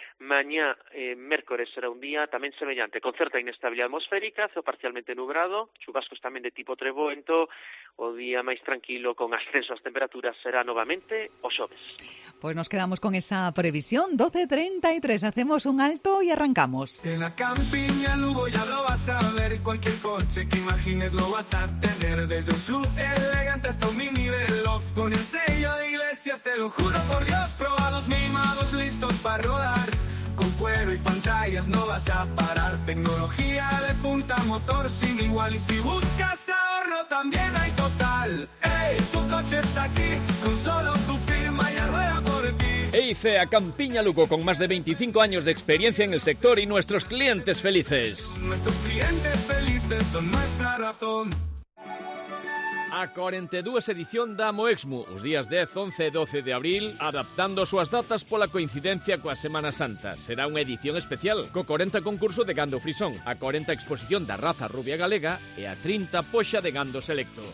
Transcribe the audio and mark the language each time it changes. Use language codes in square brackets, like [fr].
[gl] Mañá, mércores, será un día tamén semellante, con certa inestabilidade atmosférica, ceo parcialmente nubrado, chubascos tamén de tipo treboento, o día máis tranquilo con ascenso as temperaturas será novamente o xoves. [es] Pues nos quedamos con esa previsión. 12:33, hacemos un alto y arrancamos. En la campiña Lugo ya lo vas a ver, cualquier coche que imagines lo vas a tener, desde un SUV elegante hasta un mini Veloz, con el sello de Iglesias, te lo juro por Dios, probados, mimados, listos para rodar, con cuero y pantallas no vas a parar, tecnología de punta, motor sin igual, y si buscas ahorro también hay Total. ¡Ey! Tu coche está aquí, con solo tu firma y arrueda por ti. EICE a Campiña Lugo, con más de 25 años de experiencia en el sector y nuestros clientes felices. Nuestros clientes felices son nuestra razón. [gl] A 42 edición da Moexmo, os días 10, 11 e 12 de abril, adaptando súas datas pola coincidencia coa Semana Santa. Será unha edición especial, co 40 concurso de gando frisón, a 40 exposición da raza rubia galega e a 30 poxa de gando selecto.